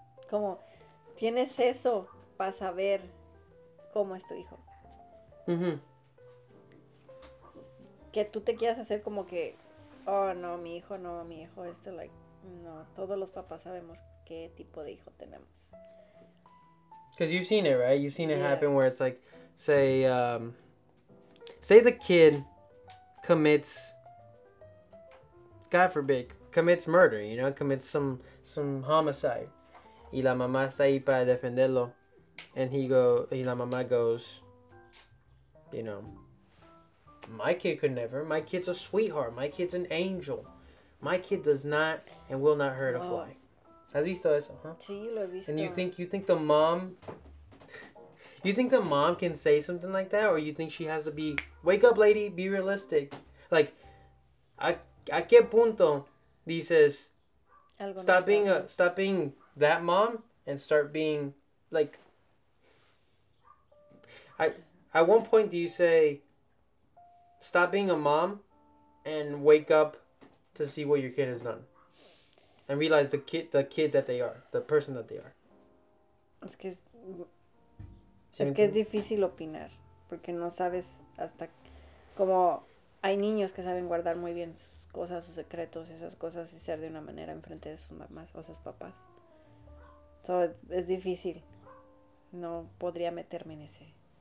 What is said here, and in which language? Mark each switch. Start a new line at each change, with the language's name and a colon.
Spanish: Como, tienes eso para saber cómo es tu hijo. Mm-hmm. Que tú te quieras hacer como que, oh, no, mi hijo, esto, like, no. Todos los papás sabemos qué tipo de hijo tenemos.
English: Because you've seen it, right? You've seen it happen where it's like, say the kid commits, God forbid, commits murder, you know, commits some homicide. Y la mamá está ahí para defenderlo. And y la mamá goes, you know, my kid could never. My kid's a sweetheart. My kid's an angel. My kid does not and will not hurt a fly.
Spanish: ¿Has visto eso, huh? Sí, lo he visto.
English: And you think the mom can say something like that? Or you think she has to be, wake up, lady, be realistic. Like,
Spanish: ¿a qué punto dices,
English: stop being that mom and start being like, at one point do you say stop being a mom and wake up to see what your kid has done and realize the kid that they are, the person that they are?
Spanish: Es que es difícil opinar porque no sabes hasta como hay niños que saben guardar muy bien sus cosas, sus secretos, esas cosas y ser de una manera en frente de sus mamás o sus papás. So, es difícil. No podría meterme en ese.